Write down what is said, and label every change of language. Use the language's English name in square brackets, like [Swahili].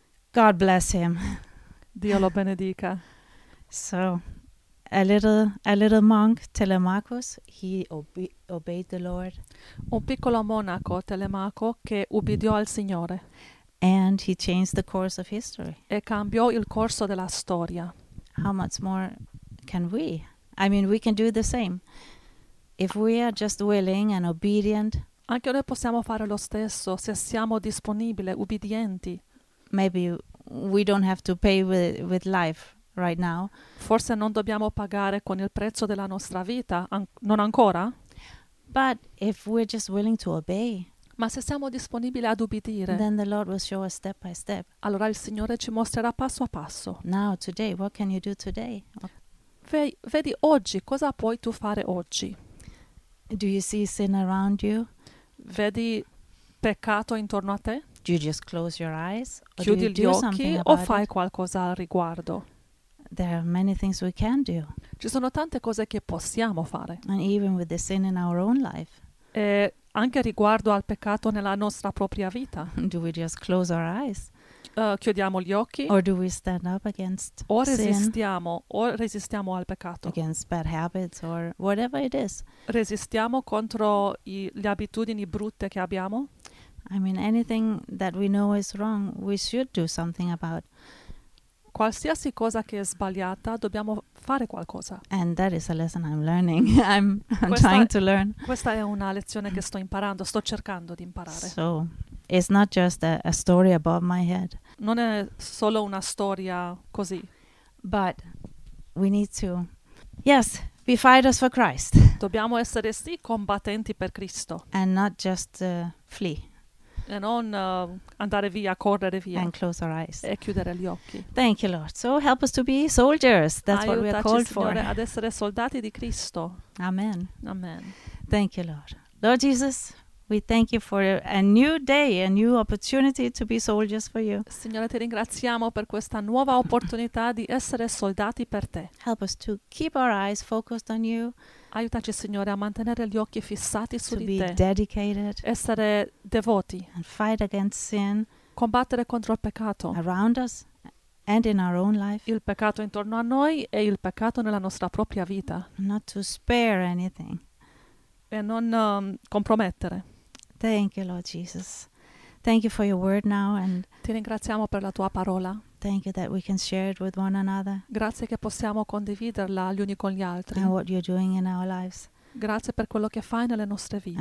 [English] God bless him. [Italian] Dio lo benedica. [English] So, a little monk, Telemachus, he obeyed the Lord. [Italian] Un piccolo monaco, Telemaco, che ubbidiò al Signore [English] And he changed the course of history. [Italian] e cambiò il corso della storia. [English] How much more can we? I mean, we can do the same. If we are just willing and obedient, [Italian] Anche noi possiamo fare lo stesso se siamo disponibili, ubbidienti. [English] maybe we don't have to pay with life right now. [Italian] Forse non dobbiamo pagare con il prezzo della nostra vita, an non ancora? [English] But if we're just willing to obey, [Italian] Ma se siamo disponibili ad ubbidire, [English] then the Lord will show us step by step. [Italian] allora il Signore ci mostrerà passo a passo. [English] Now, today, what can you do today? [Italian] Vedi oggi, cosa puoi tu fare oggi? [English] Do you see sin around you? [Italian] Vedi peccato peccato intorno a te? [English] Do you just close your eyes? [Italian] Or chiudi gli occhi o fai qualcosa al riguardo? [English] There are many things we can do. [Italian] Ci sono tante cose che possiamo fare. [English] And even with the sin in our own life. [Italian] E anche riguardo al peccato nella nostra propria vita. [English] Do we just close our eyes? [Italian] Chiudiamo gli occhi. [English] Or do we stand up against [Italian] o resistiamo al peccato. [English] Against bad habits or whatever it is. [Italian] Resistiamo contro le abitudini brutte che abbiamo. [English] I mean, anything that we know is wrong, we should do something about. [Italian] Qualsiasi cosa che è sbagliata, dobbiamo fare qualcosa. [English] And that is a lesson I'm learning. I'm trying to learn. [Italian] Questa è una lezione che sto imparando, sto cercando di imparare. [English] So, it's not just a story above my head. [Italian] Non è solo una storia così. [English] But we need to, yes, be fighters for Christ. [Italian] Dobbiamo essere sì combattenti per Cristo. [English] And not just flee. [Italian] E non andare via, correre via. [English] And close our eyes. [Italian] E chiudere gli occhi. [English] Thank you, Lord. So help us to be soldiers. That's [Italian] aiutaci, [English] what we are called [Italian] Signore, [English] for. [Italian] Ad essere soldati di Cristo. [English] Amen. [Italian] Amen. [English] Thank you, Lord. Lord Jesus, we thank you for a new day, a new opportunity to be soldiers for you. [Italian] Signore, ti ringraziamo per questa nuova opportunità di essere soldati per te. [English] Help us to keep our eyes focused on you. [Italian] Aiutaci, Signore, a mantenere gli occhi fissati su di [English] te. Dedicated, [Italian] essere devoti. [English] And fight against sin. [Italian] Combattere contro il peccato. [English] Around us and in our own life. [Italian] Il peccato intorno a noi e il peccato nella nostra propria vita. [English] Not to spare anything. [Italian] E non compromettere. [English] Thank you, Lord Jesus. Thank you for your word now. And [Italian] ti ringraziamo per la tua parola. [English] Thank you that we can share it with one another. [Italian] Grazie che possiamo condividerla gli uni con gli altri. [English] And what you're doing in our lives. [Italian] Grazie per quello che fai nelle nostre vite.